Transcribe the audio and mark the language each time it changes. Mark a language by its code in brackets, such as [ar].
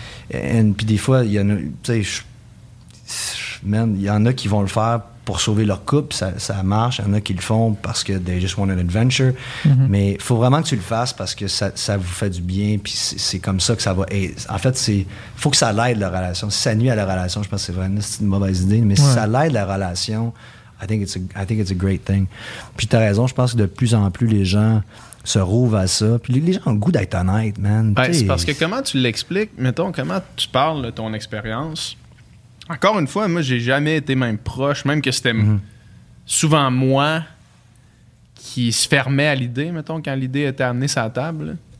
[fr] Puis des fois, il y en a... Tu sais, il y en a qui vont le faire pour sauver leur couple, ça marche. Il y en a qui le font parce que [en] they just want an adventure. [fr] Mm-hmm. Mais il faut vraiment que tu le fasses parce que ça vous fait du bien, puis c'est comme ça que ça va... Et en fait, il faut que ça l'aide, la relation. Si ça nuit à la relation, je pense que c'est vraiment une mauvaise idée. Mais si ça l'aide, la relation, [en] I think it's a great thing. [fr] Puis t'as raison, je pense que de plus en plus, les gens se rouvent à ça. Puis les gens ont le goût d'être honnête, man. Ben, c'est parce que comment tu l'expliques, mettons, comment tu parles de ton expérience... Encore une fois, moi, j'ai jamais été même proche, même que c'était souvent moi qui se fermais à l'idée, mettons, quand l'idée était amenée sur la table.